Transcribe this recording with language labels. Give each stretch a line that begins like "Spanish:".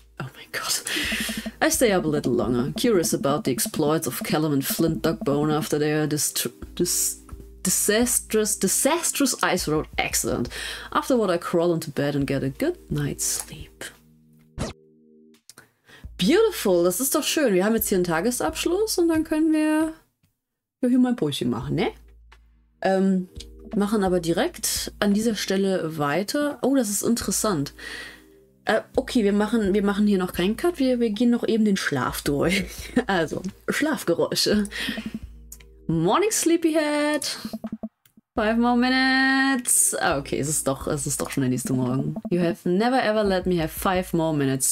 English: Oh my god. I stay up a little longer, curious about the exploits of Callum and Flint Dogbone after their disastrous ice road accident. After what, I crawl into bed and get a good night's sleep.
German: Beautiful, das ist doch schön. Wir haben jetzt hier einen Tagesabschluss und dann können wir hier mein Brötchen machen, ne? Machen aber direkt an dieser Stelle weiter. Oh, das ist interessant. Okay, wir machen hier noch keinen Cut. Wir gehen noch eben den Schlaf durch. Also, Schlafgeräusche.
English: Morning, Sleepyhead. 5 more minutes.
German: Okay, es ist doch schon der nächste Morgen.
English: You have never ever let me have 5 more minutes.